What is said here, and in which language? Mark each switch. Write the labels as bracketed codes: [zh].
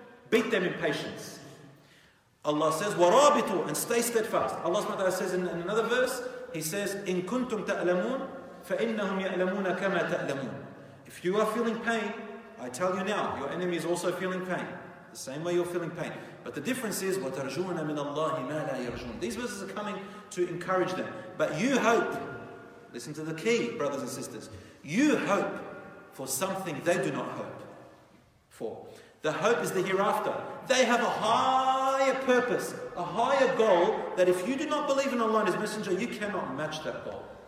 [en] Beat them in patience. Allah says, [ar] وَرَابِطُوا, [en] and stay steadfast. Allah subhanahu wa ta'ala says in another verse, He says, [ar] إِن كُنْتُمْ تَأْلَمُونَ فَإِنَّهُمْ يَأْلَمُونَ كَمَا تَأْلَمُونَ. [en] If you are feeling pain, I tell you now, your enemy is also feeling pain. The same way you're feeling pain. But the difference is, [ar] وَتَرْجُونَ مِنَ اللَّهِ مَا لَا يَرْجُونَ. [en] These verses are coming to encourage them. But you hope. Listen to the key, brothers and sisters. You hope for something they do not hope for. The hope is the hereafter. They have a higher purpose, a higher goal, that if you do not believe in Allah and His Messenger, you cannot match that goal.